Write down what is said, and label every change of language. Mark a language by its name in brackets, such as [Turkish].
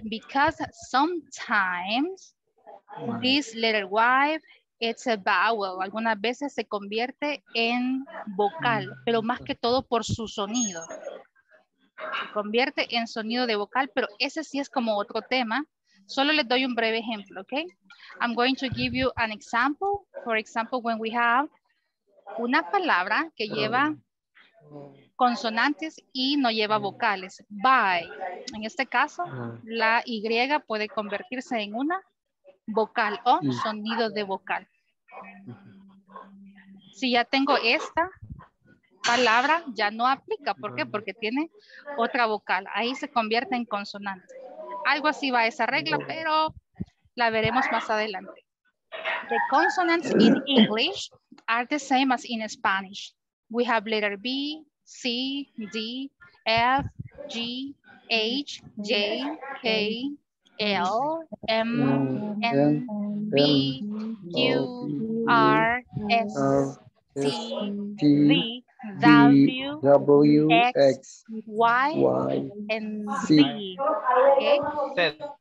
[English] Because sometimes this letter Y, it's a vowel. [Spanish] Algunas veces se convierte en vocal, pero más que todo por su sonido. Se convierte en sonido de vocal, pero ese sí es como otro tema. Solo les doy un breve ejemplo, ¿ok? [English] I'm going to give you an example. For example, when we have [Spanish] una palabra que lleva consonantes y no lleva vocales. By. En este caso, la Y puede convertirse en una vocal o sonido de vocal. Si ya tengo esta palabra, ya no aplica. ¿Por qué? Porque tiene otra vocal. Ahí se convierte en consonante. Algo así va esa regla, pero la veremos más adelante. [English] The consonants in English are the same as in Spanish. We have letter B, C, D, F, G, H, J, K, L, M, N, B, Q, R, S, T, V, W, X, Y, and Z. Okay?